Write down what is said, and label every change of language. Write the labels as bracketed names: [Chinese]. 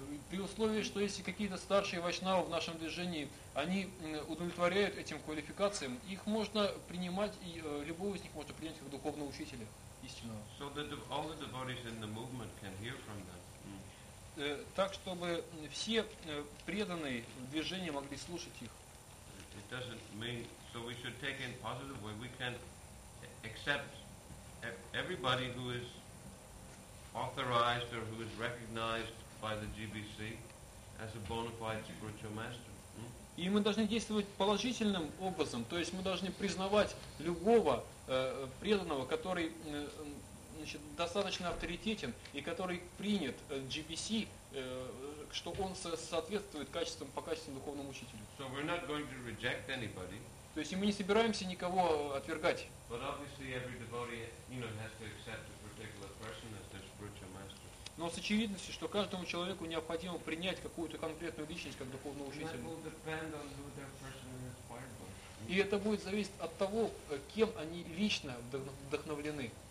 [Russian] При условии, что если какие-то старшие вайшнавы в нашем движении, они удовлетворяют этим квалификациям, их можно принимать, и любого из них можно принять как духовного учителя истинного. [English] So that all the devotees in the movement can hear from them. [Russian] Так, чтобы все преданные в движении могли слушать их. [English] It doesn't mean, so we should take it in a positive way. We can accept everybody who is authorized or who is recognized by the GBC as a bona fide spiritual master. [Russian] И мы должны действовать положительным образом, то есть мы должны признавать любого преданного, который достаточно авторитетен и который принят GBC, что он соответствует по качествам духовному учителю. [English] So we're not going to reject anybody. [Russian] То есть мы не собираемся никого отвергать. [English] But obviously every devotee, you know, has to accept a particular person as their spiritual master. [Russian] Но с очевидностью, что каждому человеку необходимо принять какую-то конкретную личность как духовного учителя. [English] That will depend on who their person is inspired by. [Russian] И это будет зависеть от того, кем они лично вдохновлены.